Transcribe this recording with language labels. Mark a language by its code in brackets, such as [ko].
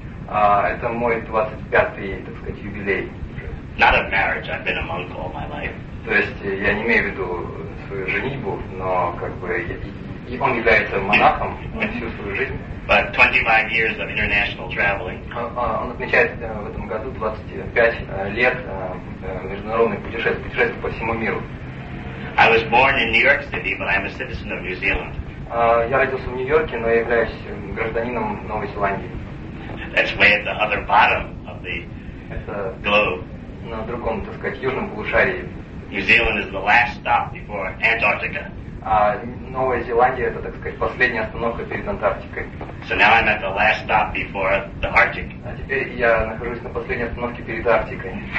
[ru] Это мой 25-й, так сказать, юбилей. [en] Not of marriage, I've been a monk all my life. [ru] То есть я не имею в виду свою женитьбу, но как бы и он является монахом всю свою жизнь. [en] But 25 years of international traveling. [ru] Он отмечает в этом году 25 лет международных путешествий по всему миру. [en] I was born in New York City, but I'm a citizen of New Zealand. [ru] Я родился в Нью-Йорке, но я являюсь гражданином Новой Зеландии. [en] That's way at the other bottom of the globe. [ru] На другом, так сказать, южном полушарии. [en] New Zealand is the last stop before Antarctica. [ru] Новая Зеландия — это, так сказать, последняя остановка перед Антарктикой. [en] So now I'm at the last stop before the Arctic. [ru] А теперь я нахожусь на последней остановке перед Арктикой.